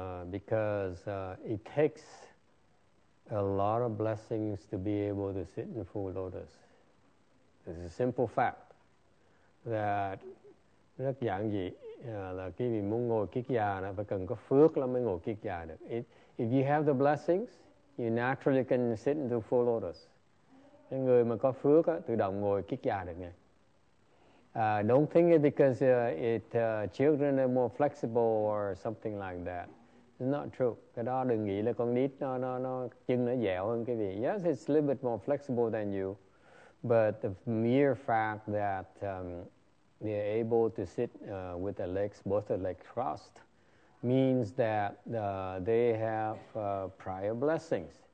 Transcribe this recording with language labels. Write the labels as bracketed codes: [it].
[en] Because it takes a lot of blessings to be able to sit in full lotus. It's a simple fact that [vi] rất giản dị là khi mình muốn ngồi kiết già là phải cần có phước là mới ngồi kiết già được. [en] If you have the blessings, you naturally can sit in full lotus. [vi] Cái người mà có phước á, tự động ngồi kiết già được nghe. [en] Don't think it because children are more flexible or something like that. It's not true. [vi] Cái đó đừng nghĩ là con nít nó chân nó dẻo hơn cái gì. [en] Yes, it's a little bit more flexible than you. But the mere fact that they're able to sit with their legs, both their legs crossed, means that they have prior blessings.